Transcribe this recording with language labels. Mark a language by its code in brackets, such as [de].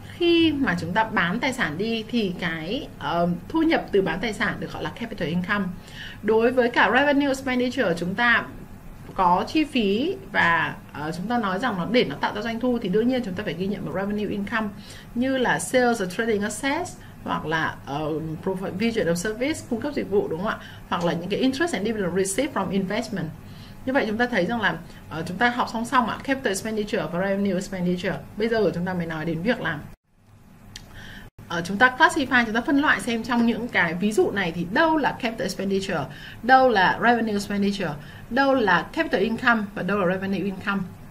[vi] Khi mà chúng ta bán tài sản đi thì cái thu nhập từ bán tài sản được gọi là capital income. Đối với cả revenue expenditure chúng ta có chi phí và chúng ta nói rằng nó để nó tạo ra doanh thu thì đương nhiên chúng ta phải ghi nhận một revenue income như là [en] sales or trading assets, [vi] hoặc là [en] provision of service, [vi] cung cấp dịch vụ đúng không ạ? Hoặc là những cái [en] interest and dividend received from investment. [vi] Như vậy chúng ta thấy rằng là chúng ta học song song ạ, capital expenditure và revenue expenditure. Bây giờ chúng ta mới nói đến việc làm. Chúng ta classify, chúng ta phân loại xem trong những cái ví dụ này thì đâu là capital expenditure, đâu là revenue expenditure, đâu là capital income và đâu là revenue income.